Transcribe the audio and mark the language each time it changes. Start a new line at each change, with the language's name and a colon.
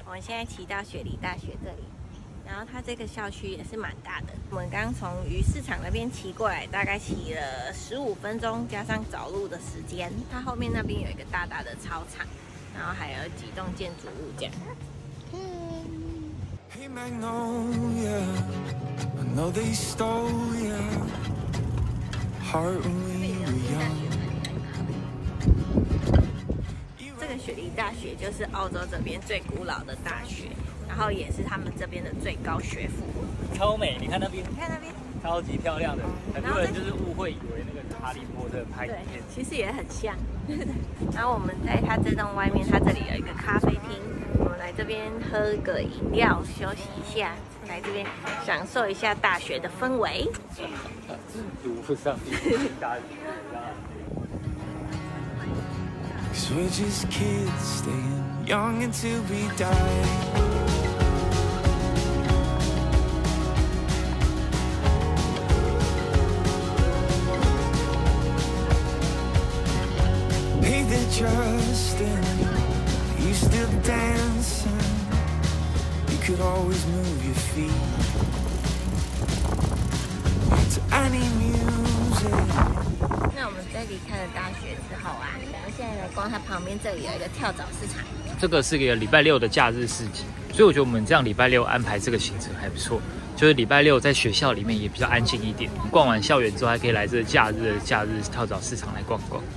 Chinese: 我们现在骑到雪梨大学这里，然后它这个校区也是蛮大的。我们刚从鱼市场那边骑过来，大概骑了15分钟，加上走路的时间。它后面那边有一个大大的操场，然后还有几栋建筑物这样。
English: Hey Magnolia, I know they stole ya. Heart when we were young.
Chinese: 雪梨大学就是澳洲这边最古老的大学，然后也是他们这边的最高学府。超美，你看那边，你看那边，超级漂亮的。很多人就是误会以为那个是哈利波特拍影片，其实也很像。然后我们在它这栋外面，它这里有一个咖啡厅，我们来这边喝个饮料，休息一下，来这边享受一下大学的氛围。读不上去，大学。
English: 'Cause we're just kids staying young until we die. Hey there, Justin, are you still dancing? You could always move your feet to any music.
Chinese: 那我们在离开了大学之后啊，然后现在来逛它旁边这里有一个跳蚤市场。这个是一个礼拜六的假日市集，所以我觉得我们这样礼拜六安排这个行程还不错，就是礼拜六在学校里面也比较安静一点，逛完校园之后还可以来这假日跳蚤市场来逛逛。